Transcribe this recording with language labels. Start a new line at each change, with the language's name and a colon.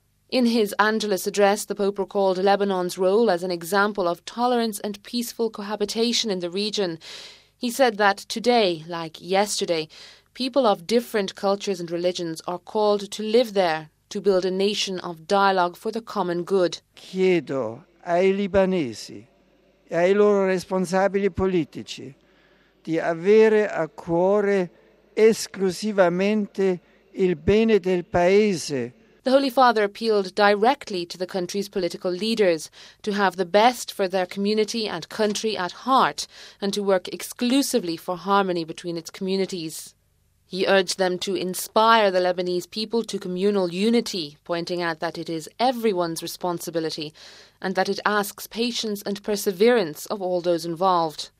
English: In his Angelus address, the Pope recalled Lebanon's role as an example of tolerance and peaceful cohabitation in the region. He said that today, like yesterday, people of different cultures and religions are called to live there, to build a nation of dialogue for the common good.
Italian: Chiedo ai libanesi e ai loro responsabili politici di avere a cuore esclusivamente il bene del paese.
English: The Holy Father appealed directly to the country's political leaders to have the best for their community and country at heart and to work exclusively for harmony between its communities. He urged them to inspire the Lebanese people to communal unity, pointing out that it is everyone's responsibility and that it asks patience and perseverance of all those involved.